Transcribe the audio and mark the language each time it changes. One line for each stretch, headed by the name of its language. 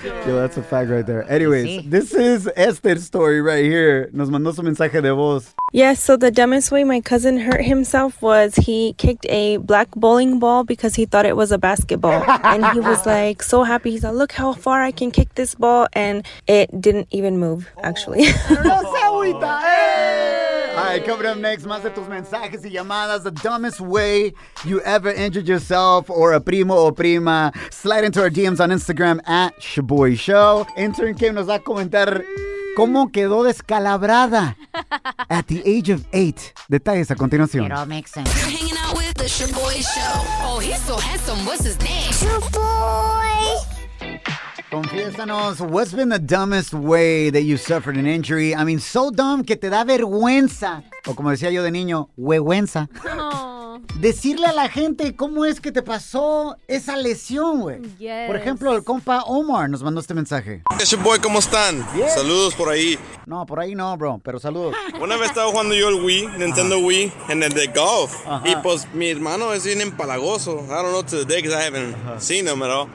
English: yo, that's a fact right there. Anyways, this is Esther's story right here.
Spanish: Nos mandó su mensaje de voz.
English: Yes, so the dumbest way my cousin hurt himself was he kicked a black bowling ball because he thought it was a basketball. And he was like so happy. He's like, look how far I can kick this ball. And it didn't even move, actually. All right, coming up next,
Spanish: más de tus mensajes y llamadas.
English: The dumbest way you ever injured yourself or a
Spanish: primo o prima.
English: Slide into our DMs on Instagram at Shaboy Show.
Spanish: Intern Kim nos va a comentar cómo quedó descalabrada
English: at the age of 8.
Spanish: Detalles a continuación.
English: It all makes sense. You're hanging out with the Shaboy Show. Oh, he's so handsome. What's his name? Shaboy.
Spanish: Confiésanos,
English: what's been the dumbest way that you suffered an injury? I mean, so dumb
Spanish: que te da vergüenza. O como decía yo de niño, huevenza. Decirle a la gente cómo es que te pasó esa lesión, güey.
English: Yes.
Spanish: Por ejemplo, el compa Omar nos mandó este mensaje.
English: Hey, boy,
Spanish: ¿cómo están?
English: Yes.
Spanish: Saludos por ahí. No, por ahí no, bro, pero saludos. Una vez estaba jugando yo el Wii, Nintendo Wii, en el de golf. Y pues mi hermano es bien empalagoso.
English: I don't know to the day because I haven't seen him at all.